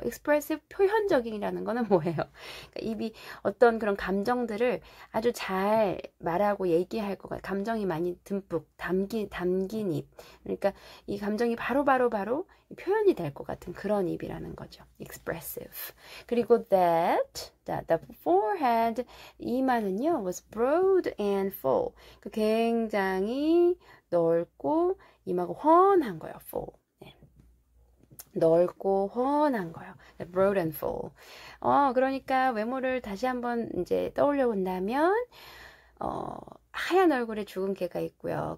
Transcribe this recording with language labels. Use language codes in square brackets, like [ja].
[ko] Expressive 표현적인이라는 거는 뭐예요? 그러니까 입이 어떤 그런 감정들을 아주 잘 말하고 얘기할 것 같아요. 감정이 많이 듬뿍 담긴 입. 그러니까 이 감정이 바로 표현이 될것 같은 그런 입이라는 거죠. [en] Expressive. 그리고 that. 자, the forehead 이마는요 was broad and full. [ko] 그 굉장히 넓고 이마가 훤한 거예요. Full. 네. 넓고 훤한 거예요. Broad and full. 그러니까 외모를 다시 한번 이제 떠올려 본다면 하얀 얼굴에 주근깨가 있고요.